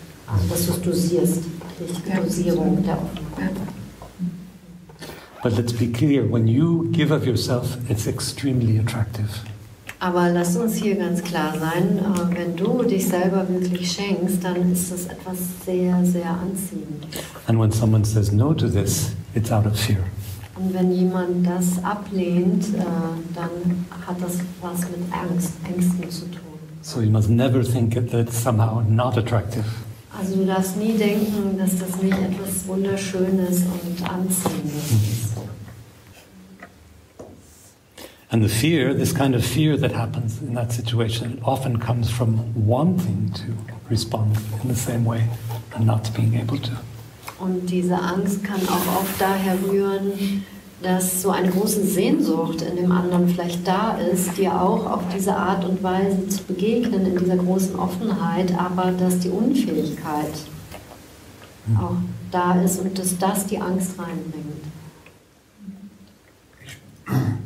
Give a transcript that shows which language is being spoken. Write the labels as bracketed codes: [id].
[de] Also dass du es dosierst, die Dosierung der Offenheit. [en] But let's be clear, when you give of yourself, it's extremely attractive. [de] Aber lass uns hier ganz klar sein, wenn du dich selber wirklich schenkst, dann ist das etwas sehr, sehr Anziehendes. [en] And when someone says no to this, it's out of fear. [de] Und wenn jemand das ablehnt, dann hat das was mit Ängsten zu tun. [en] So you must never think that it's somehow not attractive. [de] Also du darfst nie denken, dass das nicht etwas Wunderschönes und Anziehendes ist. [en] And the fear, this kind of fear that happens in that situation, often comes from wanting to respond in the same way and not being able to. [de] Und diese Angst kann auch oft daher rühren, dass so eine große Sehnsucht in dem anderen vielleicht da ist, dir auch auf diese Art und Weise zu begegnen, in dieser großen Offenheit, aber dass die Unfähigkeit auch da ist und dass das die Angst reinbringt.